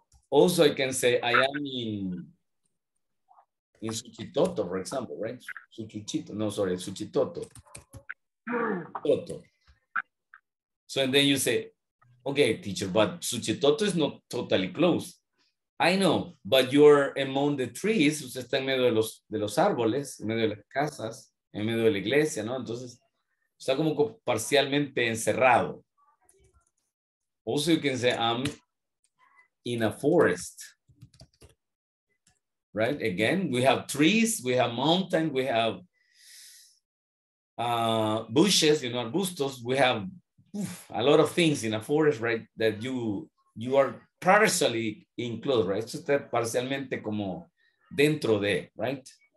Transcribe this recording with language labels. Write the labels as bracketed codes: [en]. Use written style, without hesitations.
[en] Also, I can say, I am in Suchitoto, for example, right? Suchitoto. Toto. So, and then you say, okay, teacher, but Suchitoto is not totally closed. I know, but you're among the trees. [es] Usted está en medio de los árboles, en medio de las casas, en medio de la iglesia, ¿no? Entonces, está como parcialmente encerrado. [en] Also, you can say, I'm in a forest. Right? Again, we have trees, we have mountains, we have bushes, you know, [es] arbustos. [en] We have a lot of things in a forest, right? That you are partially enclosed, right? So, [es] parcialmente como dentro de, [en] right?